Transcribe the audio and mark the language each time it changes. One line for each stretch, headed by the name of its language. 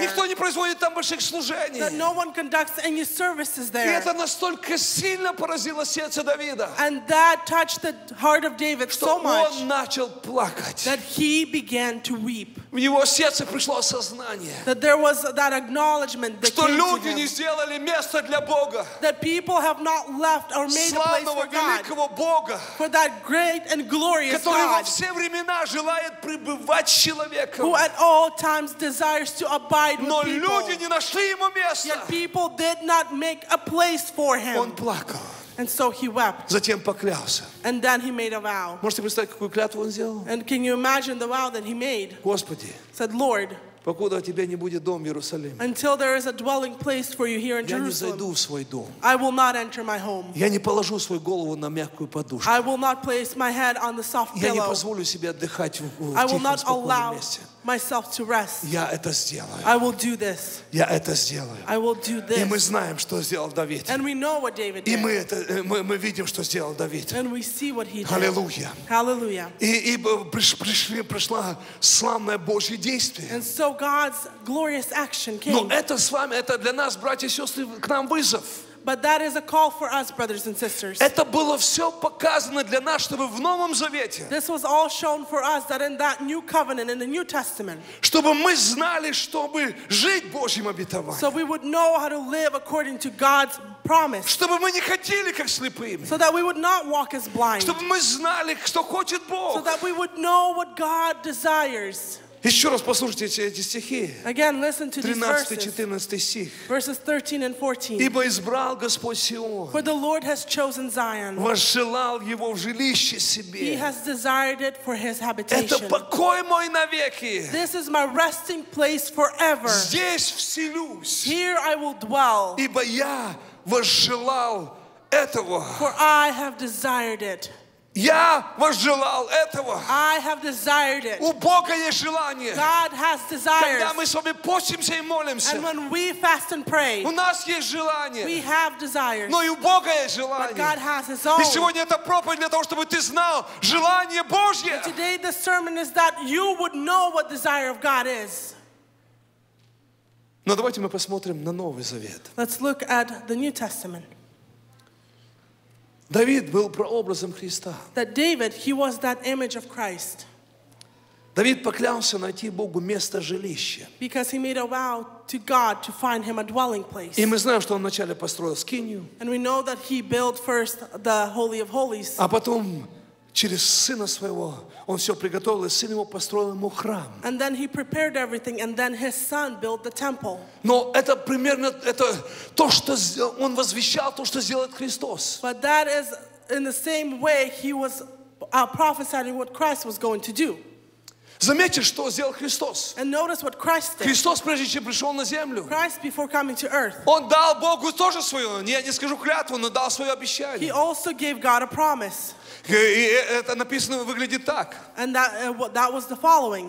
Russian: Никто не производит там больших служений.
English: That no one conducts any services there.
Russian: И это настолько сильно поразило сердце Давида.
English: And that touched the heart of David so much.
Russian: Что он начал плакать.
English: That he began to weep.
Russian: В его сердце пришло осознание,
English: that there was that acknowledgement that
Russian: что люди не сделали место для Бога,
English: that people have not left or made a place for
Russian: великого Бога,
English: for that great and glorious
Russian: который
English: God,
Russian: во все времена желает пребывать с человеком,
English: who at all times desires to abide with people,
Russian: но люди не нашли ему места,
English: yet people did not make a place for him.
Russian: Он плакал.
English: And so he wept.
Russian: Затем поклялся.
English: And then he made a vow.
Russian: Можете представить, какую клятву он сделал?
English: And can you imagine the vow that he made?
Russian: Господи.
English: Said Lord.
Russian: Покуда у тебя не будет дом в Иерусалиме.
English: Until there is a dwelling place for you here in Jerusalem.
Russian: Я не зайду в свой дом.
English: I will not enter my home.
Russian: Я не положу свою голову на мягкую подушку.
English: I will not place my head on the soft pillow.
Russian: Я не позволю себе отдыхать в тихом, спокойном месте.
English: I will not allow myself to rest.
Russian: Я это сделаю.
English: I will do this.
Russian: Я это сделаю.
English: I will do this.
Russian: И мы знаем, что сделал Давид.
English: And we know what David did.
Russian: И мы видим, что сделал Давид.
English: And we see what he did.
Russian: Аллилуйя.
English: Hallelujah.
Russian: И пришло славное Божье действие.
English: And so God's glorious action came.
Russian: Но это с вами, это для нас, братья и сестры, к нам вызов.
English: But that is a call for us, brothers and sisters.
Russian: Это было все показано для нас, чтобы в Новом Завете.
English: This was all shown for us that in that new covenant, in the New Testament.
Russian: Чтобы мы знали, чтобы жить Божьим обетованием.
English: So we would know how to live according to God's promise.
Russian: Чтобы мы не ходили как слепыми.
English: So that we would not walk as blind.
Russian: Чтобы мы знали, что хочет Бог.
English: So that we would know what God desires.
Russian: Еще раз послушайте эти стихи.
English: Again, listen to
Russian: 13-14 стих.
English: Verses 13 and 14.
Russian: Ибо избрал Господь Сион.
English: For the Lord has chosen Zion.
Russian: Возжелал его в жилище себе.
English: He has desired it for his habitation.
Russian: Это покой мой навеки.
English: This is my resting place forever.
Russian: Здесь вселюсь.
English: Here I will dwell.
Russian: Ибо я возжелал этого.
English: For I have desired it.
Russian: Я возжелал этого.
English: I have desired it.
Russian: У Бога есть желание.
English: God has desires.
Russian: Когда мы с вами постимся и молимся.
English: And when we fast and pray.
Russian: У нас есть желание.
English: We have desires.
Russian: Но и у Бога есть желание.
English: But God has his own.
Russian: И сегодня это проповедь для того, чтобы ты знал желание Божье.
English: And today the sermon is that you would know what desire of God is.
Russian: Но давайте мы посмотрим на Новый Завет.
English: Let's look at the New Testament.
Russian: Давид был прообразом Христа.
English: That David, he was that image of Christ.
Russian: Давид поклялся найти Богу место жилища.
English: Because he made a vow to God to find him a dwelling place.
Russian: И мы знаем, что он вначале построил скинию.
English: And we know that he built first the Holy of Holies.
Russian: А потом через сына своего он все приготовил, и сын его построил ему храм.
English: And then he prepared everything, and then his son built the temple.
Russian: Но это примерно это то, что он возвещал, то, что сделает Христос.
English: But that is in the same way he was prophesying what Christ was going to do.
Russian: Заметьте, что сделал Христос.
English: And notice what Christ did.
Russian: Христос, прежде чем пришел на землю,
English: Christ, before coming to earth,
Russian: он дал Богу тоже свое, я не скажу клятву, но дал свое обещание.
English: He also gave God a promise.
Russian: И это написано, выглядит так.
English: And that was the following.